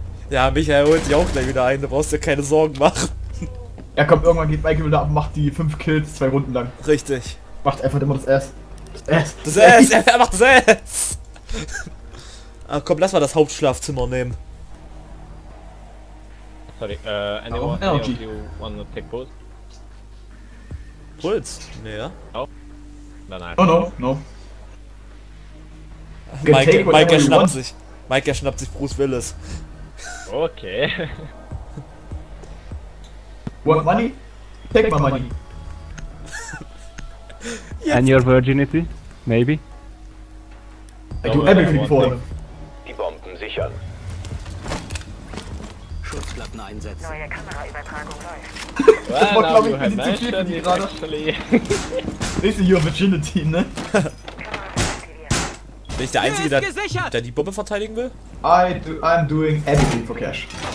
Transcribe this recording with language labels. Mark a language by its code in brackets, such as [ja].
[de] Ja, Michael holt sich auch gleich wieder ein, du brauchst dir keine Sorgen machen. Ja komm, irgendwann geht Michael wieder ab und macht die 5 Kills 2 Runden lang. Richtig. Macht einfach immer das S. Das S. Das S, er macht das S. Ach komm, lass mal das Hauptschlafzimmer nehmen. [en] Sorry, anyone of you wanna take Puls? [de] Puls? Nee, ja. [en] Oh, no, no. [de] Mike erschnappt sich. Mike erschnappt sich Bruce Willis. Okay. [en] Want money? Take my money. And your virginity? Maybe? I do everything for him. [de] Die Bomben sichern. Schutzplatten einsetzen. Neue Kameraübertragung läuft. Das war, glaube ich, ein bisschen zu schief, die gerade. [en] This is your virginity, ne? [de] Bin ich der Einzige, der die Bombe verteidigen will? [en] I'm doing everything for cash.